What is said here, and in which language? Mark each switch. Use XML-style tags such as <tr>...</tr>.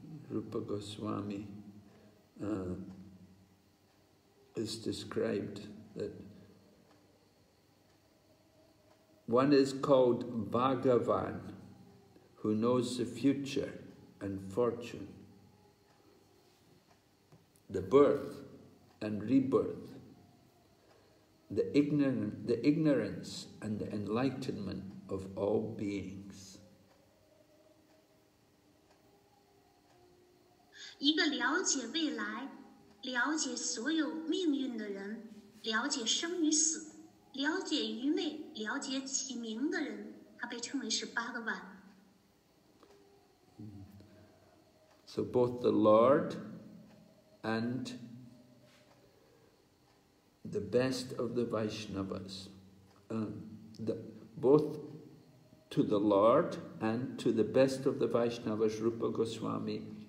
<en>Rupa Goswami is described that one is called Bhagavan who knows the future and fortune, the birth and rebirth, the ignorance and the enlightenment of all beings.</en> <zh>一个了解未来、了解所有命运的人，了解生与死，了解愚昧，了解起名的人，他被称为是巴格万。</zh> <en>So both the Lord and the best of the Vaishnavas, both to the Lord and to the best of the Vaishnavas, Rupa Goswami.</en>